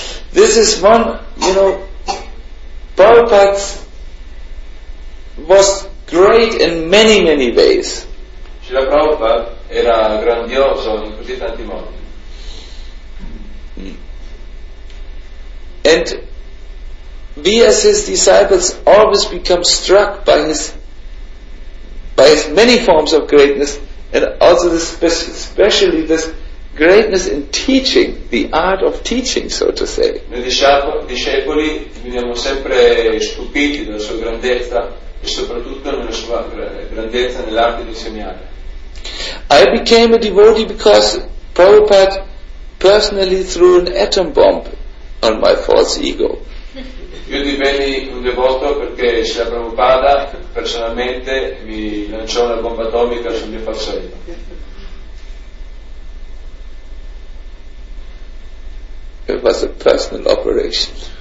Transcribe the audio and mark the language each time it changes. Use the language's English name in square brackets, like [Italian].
[English] This is one, you know, Prabhupada was great in many, many ways. [Italian] Srila Prabhupada era grandioso in così tanti modi. [English] And we as his disciples always become struck by his many forms of greatness, and also this especially this greatness in teaching, the art of teaching, so to say. [Italian] Noi discepoli veniamo sempre stupiti della sua grandezza e soprattutto nella sua grandezza nell'arte di insegnare. [English] I became a devotee because Prabhupada personally threw an atom bomb on my false ego. [Italian] Io divenni un devoto perché Srila Prabhupada personalmente mi lanciò una bomba atomica sul mio falso ego. [English] It was a personal operation.